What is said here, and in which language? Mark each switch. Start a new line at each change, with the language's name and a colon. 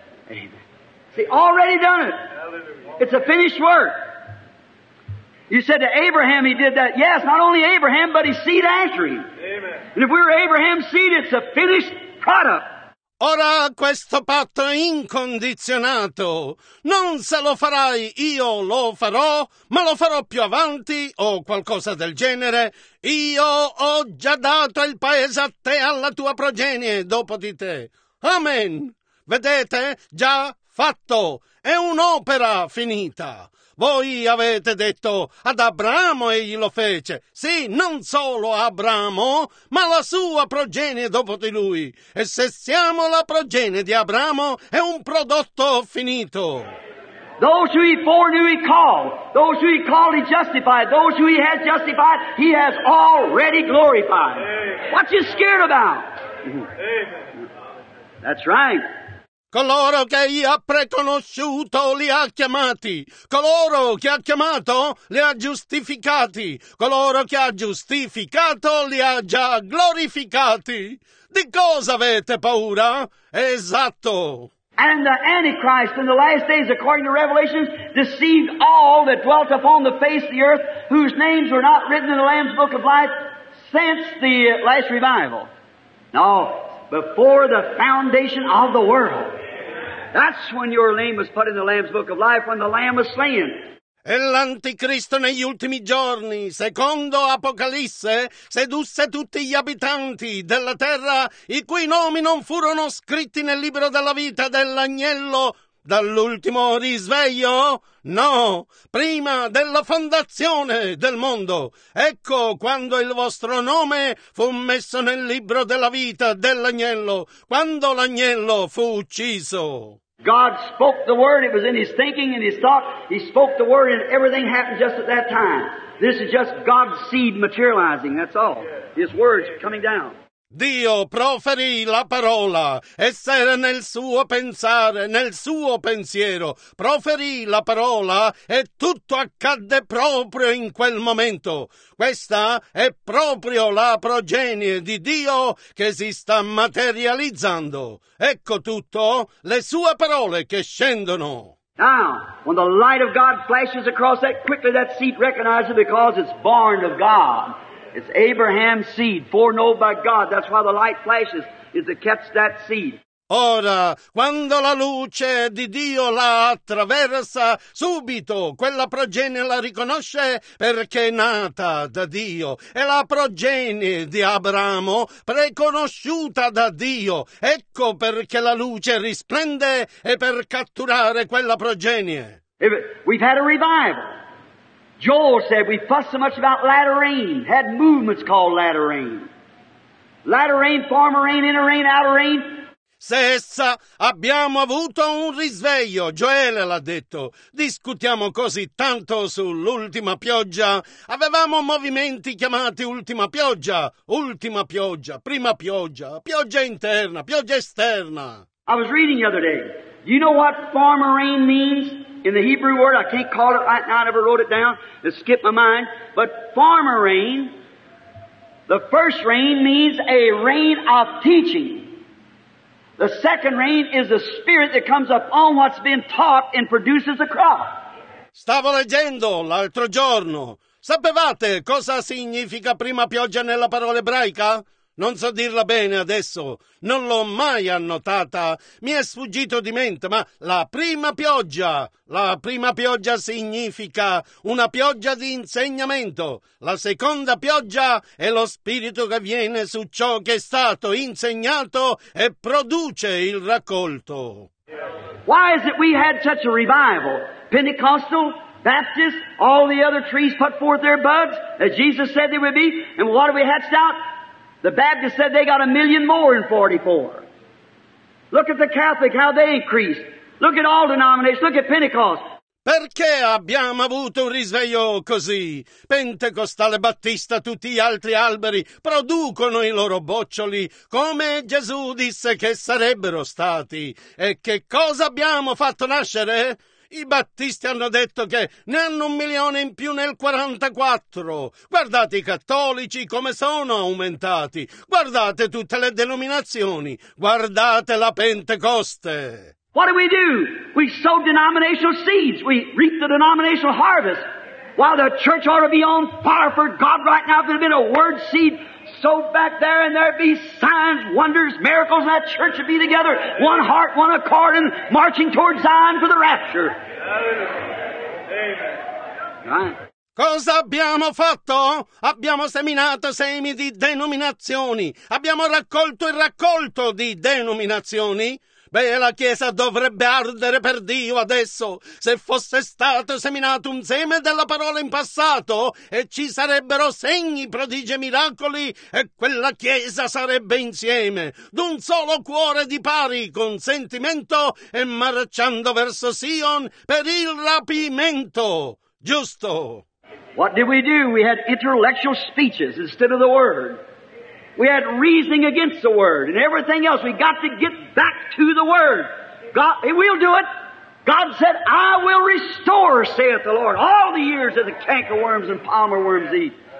English: Amen. See, already done it. It's a finished work. You said to Abraham he did that. Yes, not only Abraham, but his seed after him. Amen. And if we're Abraham's seed, it's a finished product.
Italian: Ora questo patto è incondizionato. Non se lo farai, io lo farò, ma lo farò più avanti o qualcosa del genere. Io ho già dato il paese a te e alla tua progenie dopo di te. Amen. Vedete? Già fatto. È un'opera finita. Voi avete detto ad Abramo egli lo fece. Sì, non solo Abramo, ma la sua progenie dopo di lui. E se siamo la progenie di Abramo, è un prodotto finito.
English: Those who he foreknew he called. Those who he called he justified. Those who he has justified he has already glorified. What you scared about? That's right.
Italian: Coloro che gli ha preconosciuto li ha chiamati, coloro che ha chiamato li ha giustificati, coloro che ha giustificato li ha già glorificati. Di cosa avete paura? Esatto.
English: And the Antichrist in the last days, according to Revelation, deceived all that dwelt upon the face of the earth, whose names were not written in the Lamb's Book of Life since the last revival. No, before the foundation of the world. That's when your name was put in the Lamb's Book of Life, when the Lamb was slain.
Italian: E l'Anticristo negli ultimi giorni, secondo Apocalisse, sedusse tutti gli abitanti della terra, i cui nomi non furono scritti nel libro della vita dell'Agnello, dall'ultimo risveglio? No, prima della fondazione del mondo. Ecco quando il vostro nome fu messo nel libro della vita dell'Agnello, quando l'Agnello fu ucciso.
English: God spoke the word, it was in his thinking, in his thought, he spoke the word and everything happened just at that time. This is just God's seed materializing, that's all. His words coming down.
Italian: Dio proferì la parola, essa era nel suo pensare, nel suo pensiero, proferì la parola e tutto accadde proprio in quel momento. Questa è proprio la progenie di Dio che si sta materializzando. Ecco tutto, le sue parole che scendono.
English: Now, when the light of God flashes across that, quickly that seed recognizes it because it's born of God. It's Abraham's seed, foreknown by God. That's why the light flashes, is to catch that seed.
Italian: Ora, quando la luce di Dio la attraversa, subito quella progenie la riconosce perché è nata da Dio. È la progenie di Abramo, preconosciuta da Dio. Ecco perché la luce risplende e per catturare quella progenie.
English: We've had a revival. Joel said, we fussed so much about latter rain, had movements called latter rain. Latter rain, former rain, inner rain, outer rain.
Italian: Se essa abbiamo avuto un risveglio, Gioele l'ha detto, discutiamo così tanto sull'ultima pioggia, avevamo movimenti chiamati ultima pioggia, prima pioggia interna, pioggia esterna.
English: I was reading the other day, do you know what former rain means? In the Hebrew word, I can't call it right now, I never wrote it down, it skipped my mind. But former rain, the first rain means a rain of teaching. The second rain is the spirit that comes upon what's been taught and produces a crop.
Italian: Stavo leggendo l'altro giorno. Sapevate cosa significa prima pioggia nella parola ebraica? Non so dirla bene adesso, non l'ho mai annotata, mi è sfuggito di mente, ma la prima pioggia significa una pioggia di insegnamento, la seconda pioggia è lo spirito che viene su ciò che è stato insegnato e produce il raccolto.
English: Why is it we had such a revival? Pentecostal? Baptist, all the other trees put forth their buds, as Jesus said they would be, and what do we hatched out? The Baptist said they got a million more in 44. Look at the Catholic, how they increased. Look at all denominations, look at Pentecost.
Italian: Perché abbiamo avuto un risveglio così? Pentecostale, Battista, tutti gli altri alberi producono i loro boccioli come Gesù disse che sarebbero stati. E che cosa abbiamo fatto nascere? I battisti hanno detto che ne hanno un milione in più nel 44. Guardate i cattolici come sono aumentati. Guardate tutte le denominazioni. Guardate la Pentecoste.
English: What do? We sow denominational seeds. We reap the denominational harvest. While the church ought to be on fire for God right now, there'd been a word seed sowed back there and there'd be signs, wonders, miracles, and that church would be together, one heart, one accord, and marching towards Zion for the rapture. Amen. Right.
Italian: Cosa abbiamo fatto? Abbiamo seminato semi di denominazioni. Abbiamo raccolto il raccolto di denominazioni. Beh, la Chiesa dovrebbe ardere per Dio adesso. Se fosse stato seminato un seme della parola in passato, e ci sarebbero segni, prodigi e miracoli, e quella Chiesa sarebbe insieme, d'un solo cuore di pari, con sentimento, e marciando verso Sion per il rapimento. Giusto.
English: What did we do? We had intellectual speeches instead of the Word. We had reasoning against the Word and everything else. We got to get back to the Word. God, we'll do it. God said, I will restore, saith the Lord, all the years that the canker worms and palmer worms eat.